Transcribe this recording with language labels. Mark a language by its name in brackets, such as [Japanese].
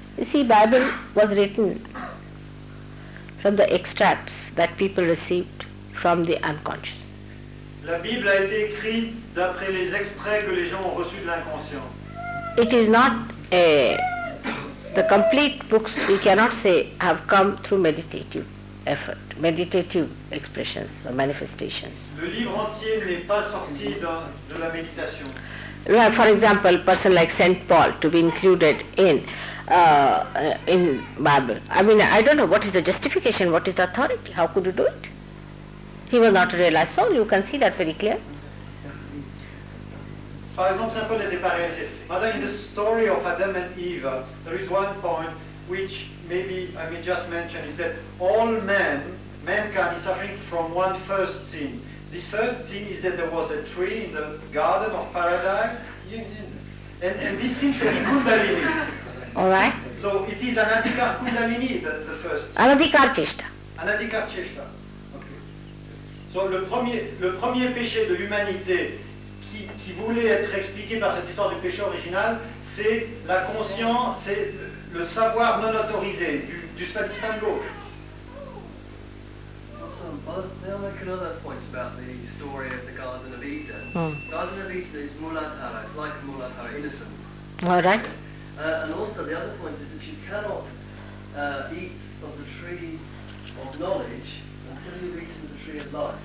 [English] See, Bible was written from the extracts that people received from the unconscious. [French] La Bible a été écrite d'après les extraits que les gens ont reçus de l'inconscient. [English] It is not the complete books, we cannot say, have come through meditative effort, meditative expressions or manifestations. [French] Le livre entier n'est pas sorti de la méditation. [English] Well, for example, a person like Saint Paul to be included in Bible. I mean, I don't know what is the justification, what is the authority, how could you do it? He was not a realized soul, you can see that very clear. For example, [French] Saint Paul n'était pas réalisé. [English] Mother, in the story of Adam and Eve, there is one point which maybe I may just mention, is that all men, mankind, is suffering from one first sin. This first sin is that there was a tree in the garden of paradise, and this sin should be Kundalini. All right. So it is Anadikar Kundalini, the first. Anadikar Cheshta. Anadikar Cheshta. Okay. [French] So le premier péché de l'humanité qui voulait être expliqué par cette histoire du péché original, c'est la conscience, c'est le savoir non autorisé du Svatistango. [English] Awesome. Well, there are like another point about the story of the Garden of Eden. Mm. Garden of Eden is Mulatara, it's like Mulatara, innocence. All right. And also the other point is that you cannot eat of the tree of knowledge until you've eaten the tree of life.